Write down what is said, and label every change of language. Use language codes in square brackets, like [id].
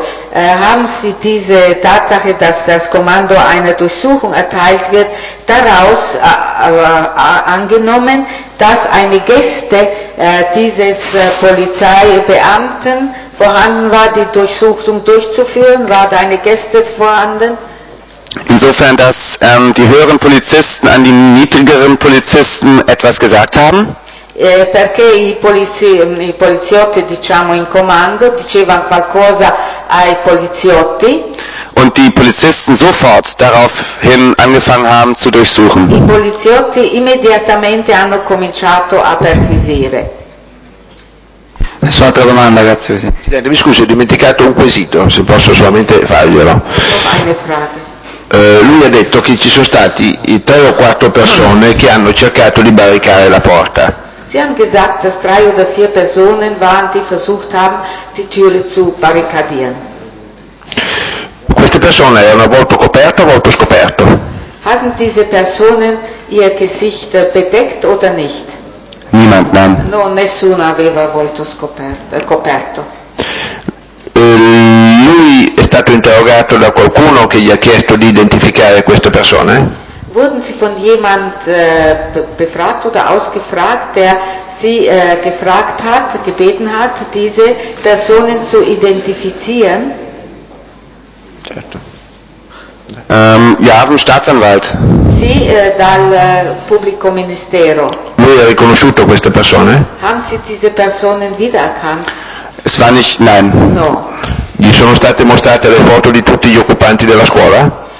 [de] Haben Sie diese Tatsache, dass das Kommando einer Durchsuchung erteilt wird, daraus angenommen, dass eine Geste dieses Polizeibeamten vorhanden war, die Durchsuchung durchzuführen? War da eine Geste vorhanden? Insofern, dass die höheren Polizisten an die niedrigeren Polizisten etwas gesagt haben? [it] Perché i poliziotti, diciamo, in comando dicevano qualcosa ai poliziotti. [de] Und die Polizisten sofort daraufhin angefangen haben zu durchsuchen. [it] I poliziotti immediatamente hanno cominciato a perquisire. Nessun'altra domanda, grazie. Presidente, mi scusi, ho dimenticato un quesito, se posso solamente farglielo. [de] Eine Frage. [it] lui ha detto che ci sono stati tre o quattro persone che hanno cercato di barricare la porta. [de] Sie haben gesagt, dass drei oder vier Personen waren, die versucht haben, die Türe zu barrikadieren. [it] Queste persone erano volto coperto o volto scoperto? [de] Hatten diese Personen ihr Gesicht bedeckt oder nicht? Niemand, nein. [it] No, nessuno aveva volto coperto. Lui è stato interrogato da qualcuno che gli ha chiesto di identificare queste persone? [de] Wurden Sie von jemand befragt oder ausgefragt, der Sie gefragt hat, gebeten hat, diese Personen zu identifizieren? [it] Certo. [de] Wir haben Staatsanwalt. [it] Sie dal Pubblico Ministero. Lui ha riconosciuto queste persone? [de] Haben Sie diese Personen wiedererkannt? Es war nicht, nein. [it] No. Gli sono state mostrate le foto di tutti gli occupanti della scuola?